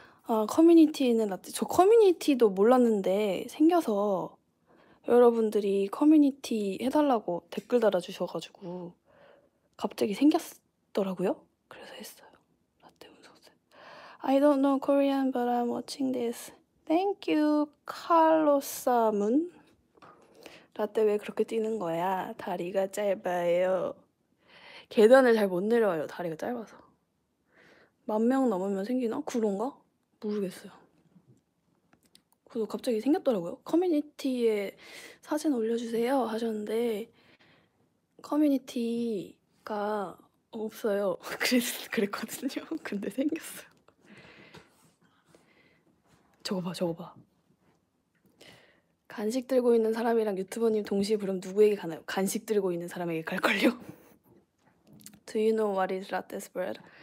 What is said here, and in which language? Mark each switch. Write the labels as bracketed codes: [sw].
[ko] 아, 커뮤니티는 라떼. 저 커뮤니티도 몰랐는데 생겨서 여러분들이 커뮤니티 해달라고 댓글 달아주셔가지고 갑자기 생겼더라고요. 그래서 했어요. 라떼 운석쌤. [en] I don't know Korean but I'm watching this. Thank you, 칼로사문. [ko] 라떼 왜 그렇게 뛰는 거야? 다리가 짧아요. 계단을 잘 못 내려와요. 다리가 짧아서. 만 명 넘으면 생기나? 그런가? 모르겠어요. 그래서 갑자기 생겼더라고요. 커뮤니티에 사진 올려주세요 하셨는데 커뮤니티가 없어요. 그랬거든요. 근데 생겼어요. 저거 봐, 저거 봐. 간식 들고 있는 사람이랑 유튜버님 동시에 부르면 누구에게 가나요? 간식 들고 있는 사람에게 갈걸요? [en] Do you know what is Latte's bread?